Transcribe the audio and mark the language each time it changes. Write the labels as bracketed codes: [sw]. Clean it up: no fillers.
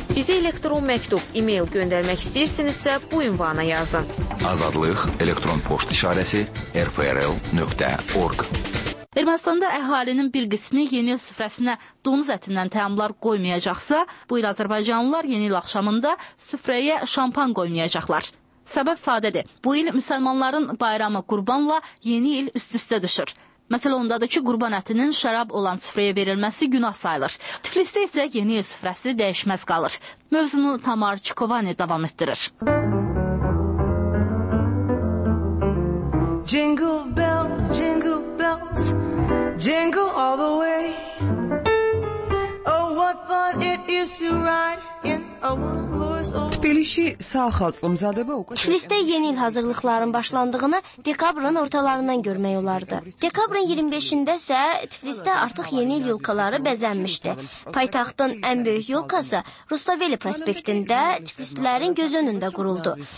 [az] Bizə elektron məktub, e-mail göndərmək istəyirsinizsə bu ünvana yazın. Azadlıq elektron poçt işarəsi rfrl.org. Ermənistanda əhalinin bir qismi yeni il süfrəsinə donuz ətindən təamlar qoymayacaqsa, bu il azərbaycanlılar yeni il axşamında süfrəyə şampan qoymayacaqlar. Səbəb sadədir. Bu il müsəlmanların bayramı qurbanla yeni il üst-üstə düşür. Məsələ ondadır ki, qurban ətinin şərab olan süfrəyə verilməsi günah sayılır. Tiflisdə isə yeni il süfrəsi dəyişməz qalır. Mövzunu Tamar Çikovani davam etdirir. [en] Jingle bells, jingle bells, jingle all the way. Oh, what fun it is to ride in a one-horse open. Tbilisi sağ xalçlı müzadəbə oqa. [az] Tbilisdə yeni il hazırlıqlarının başlandığını dekabrın ortalarından görmək olardı. Dekabrın 25-ində isə Tbilisdə artıq yeni il yolkaları bəzənmişdi. Paytaxtın ən böyük yolkası Rustaveli prospektində tbilislilərin göz önündə quruldu.